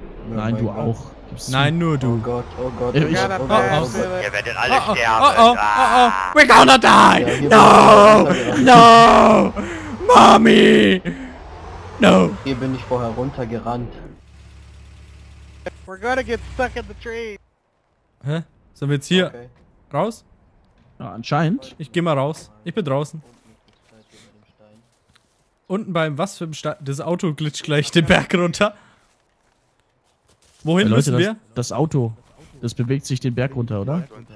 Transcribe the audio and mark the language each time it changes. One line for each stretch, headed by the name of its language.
German: Nein, du auch. Nein, nur du. Oh Gott. Ihr werdet alle sterben.
English: We're gonna die! No! No! Mommy! No!
German: Hier bin ich vorher runtergerannt.
English: We're gonna get stuck in the tree.
German: Hä? Sind wir jetzt hier raus? Ja, anscheinend. Ich geh mal raus. Ich bin draußen. Unten beim was für ein Stein? Das Auto glitscht gleich den Berg runter. Wohin müssen wir? Das Auto. Das bewegt sich den Berg runter, oder?